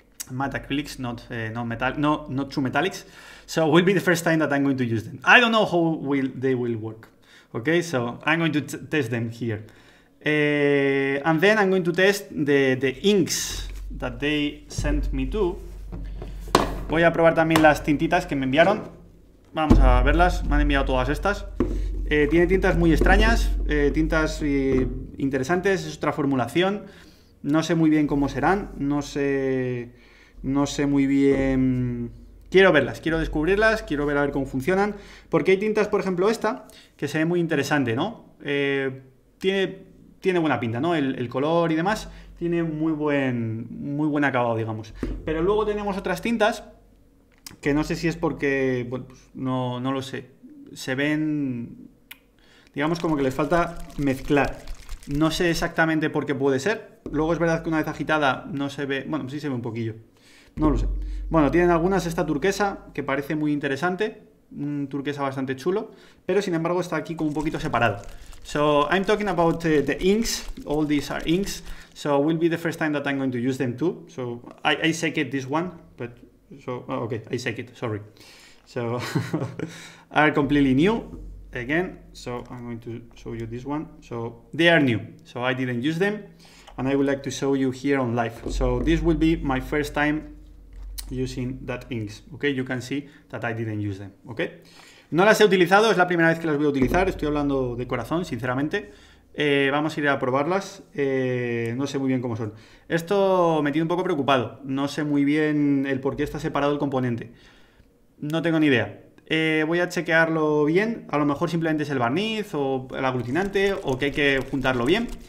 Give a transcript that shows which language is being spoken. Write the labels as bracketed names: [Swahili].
[English] Matte acrylics, not true metallics. So will be the first time that I'm going to use them. I don't know how they will work. Okay, so I'm going to test them here, and then I'm going to test the inks that they sent me to. [Spanish] Voy a probar también las tintitas que me enviaron. Vamos a verlas. Me han enviado todas estas. Tiene tintas muy extrañas, tintas interesantes. Es otra formulación. No sé muy bien cómo serán. No sé muy bien. Quiero verlas, quiero descubrirlas, quiero ver a ver cómo funcionan. Porque hay tintas, por ejemplo, esta, que se ve muy interesante, ¿no? Tiene buena pinta, ¿no? El color y demás. Tiene muy buen acabado, digamos. Pero luego tenemos otras tintas, que no sé si es porque, bueno, pues no lo sé. Se ven digamos, como que les falta mezclar. No sé exactamente por qué puede ser. Luego es verdad que una vez agitada no se ve. Bueno, sí se ve un poquillo. No lo sé. Bueno, tienen algunas esta turquesa que parece muy interesante. Un turquesa bastante chulo. Pero sin embargo está aquí como un poquito separado. [English] So, I'm talking about the inks. All these are inks. So, will be the first time that I'm going to use them too. So, I shake it this one. But, so, oh, okay, I shake it. Sorry. So, are completely new. Again, so I'm going to show you this one. So they are new. So I didn't use them, and I would like to show you here on live. So this will be my first time using that inks. Okay, you can see that I didn't use them. [Spanish] Okay, no las he utilizado. Es la primera vez que las voy a utilizar. Estoy hablando de corazón, sinceramente. Vamos a ir a probarlas. No sé muy bien cómo son. Esto me tiene un poco preocupado. No sé muy bien el por qué está separado el componente. No tengo ni idea. Voy a chequearlo bien. A lo mejor simplemente es el barniz o el aglutinante o que hay que juntarlo bien.